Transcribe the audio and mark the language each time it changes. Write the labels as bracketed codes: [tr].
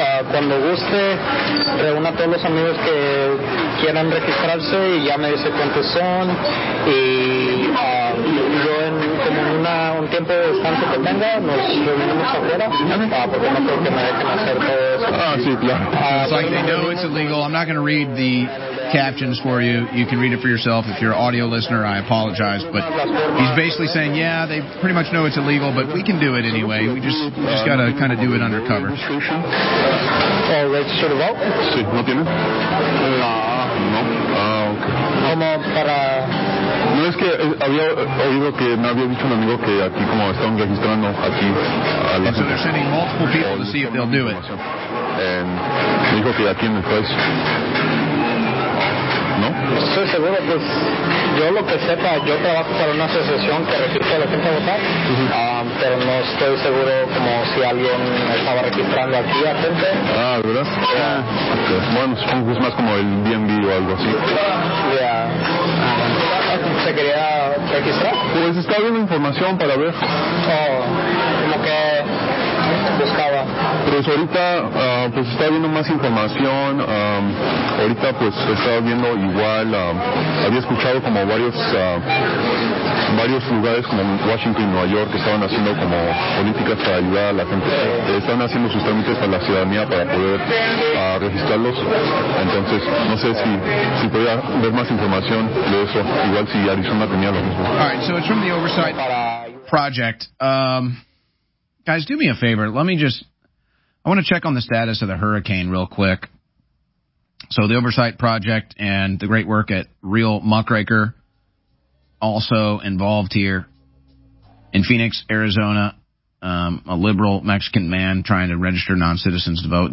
[es] Cuando guste, reúna a todos los amigos que quieran registrarse y ya me dice cuántos son. Y yo en como un tiempo de descanso que tenga, nos reunimos afuera. Porque no creo que me dejen hacer todo eso. Ah, sí, claro. [en] It's like they know it's illegal. I'm not going to read the captions for you. You can read it for yourself. If you're an audio listener, I apologize. But he's basically saying, yeah, they pretty much know it's illegal, but we can do it anyway. We just got to kind of do it undercover. Register to vote? [es] Sí, no tiene. No. Ah, okay. Como para... No, es que había oído que me había dicho un amigo que aquí como están registrando aquí. [en] And so they're sending multiple people to see if they'll do it. [es] And dijo que aquí en el país... Estoy seguro, pues yo lo que sepa, yo trabajo para una asociación que registra a la gente a votar, pero no estoy seguro como si alguien estaba registrando aquí a gente. Ah, ¿verdad? [en] Yeah. Okay. [es] Bueno, supongo que es más como el B&B o algo así. ¿Se quería registrar? Pues está viendo información para ver. Oh, como que... buscaba. Pues ahorita pues estaba viendo más información, ahorita pues estaba viendo igual, había escuchado como varios lugares como Washington y Nueva York que estaban haciendo como políticas para ayudar a la gente, están haciendo sus trámites para la ciudadanía para poder registrarlos, entonces no sé si podía ver más información de eso, igual si Arizona tenía lo mismo. [en] All right, so it's from the Oversight Project. Guys, do me a favor. I want to check on the status of the hurricane real quick. So the Oversight Project and the great work at Real Muckraker also involved here in Phoenix, Arizona, a liberal Mexican man trying to register non-citizens to vote.